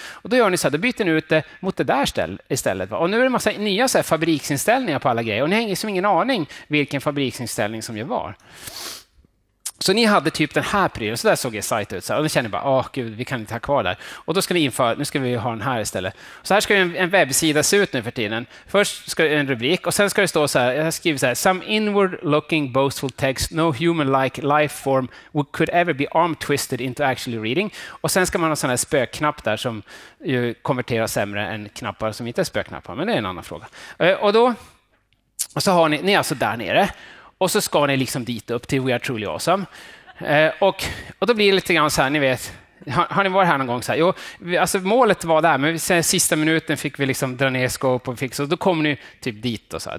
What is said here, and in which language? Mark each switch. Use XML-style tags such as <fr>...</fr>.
<sv>Och då gör ni så här, då byter ni ut det mot det där istället. Va? Och nu är det en massa nya så här fabriksinställningar på alla grejer. Och ni har liksom ingen aning vilken fabriksinställning som ju var. Så ni hade typ den här prylen, så där såg er sajt ut. Så här, och ni känner bara, åh gud, vi kan inte ha kvar där. Och då ska vi införa, nu ska vi ha den här istället. Så här ska en webbsida se ut nu för tiden. Först ska en rubrik, och sen ska det stå så här, jag skriver så här.</sv> <en>Some inward-looking, boastful text, no human-like life form could ever be arm-twisted into actually reading.</en> <sv>Och sen ska man ha sån här spökknapp där som ju konverterar sämre än knappar som inte är spökknappar. Men det är en annan fråga. Och då, och så har ni är alltså där nere. Och så ska ni liksom dit upp till</sv> <en>We Are Truly Awesome.</en> <sv>Och då blir det lite grann så här, ni vet, har ni varit här någon gång? Så här, jo, alltså målet var där, men sista minuten fick vi liksom dra ner scope och fixa. Och då kommer ni typ dit och så här.</sv>